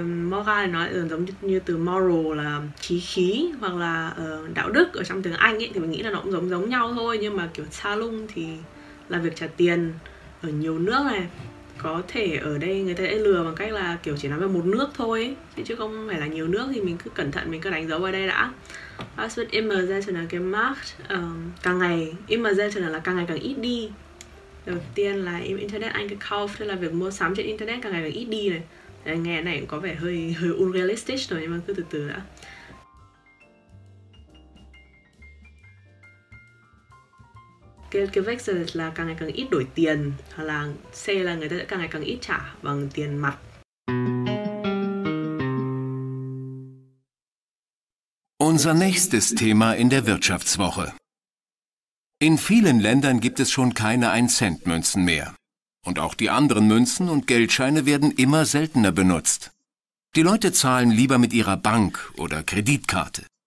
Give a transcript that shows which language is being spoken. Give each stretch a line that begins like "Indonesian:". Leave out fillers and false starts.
Vietnamese: Morale nó lại giống như từ moral là chí khí, hoặc là đạo đức ở trong tiếng Anh ấy, thì mình nghĩ là nó cũng giống nhau thôi. Nhưng mà kiểu salung thì là việc trả tiền ở nhiều nước này. có thể ở đây người ta sẽ lừa bằng cách là kiểu chỉ nói về một nước thôi ấy. Chứ không phải là nhiều nước, thì mình cứ cẩn thận, mình cứ đánh dấu vào đây đã.
German: Was wird immer seltener gemacht?
Vietnamese: Càng ngày,
German: immer seltener
Vietnamese: là càng ngày càng ít đi. Đầu tiên là
German: im Internet eingekauft,
Vietnamese: tức là việc mua sắm trên Internet càng ngày càng ít đi này. Nghe này cũng có vẻ hơi unrealistic rồi, nhưng mà cứ từ từ đã.
German: Geld gewechselt
Vietnamese: là càng ngày càng ít đổi tiền, hoặc là C là người ta sẽ càng ngày càng ít trả bằng tiền mặt.
German: Unser nächstes Thema in der Wirtschaftswoche. In vielen Ländern gibt es schon keine 1-Cent-Münzen mehr. Und auch die anderen Münzen und Geldscheine werden immer seltener benutzt. Die Leute zahlen lieber mit ihrer Bank oder Kreditkarte.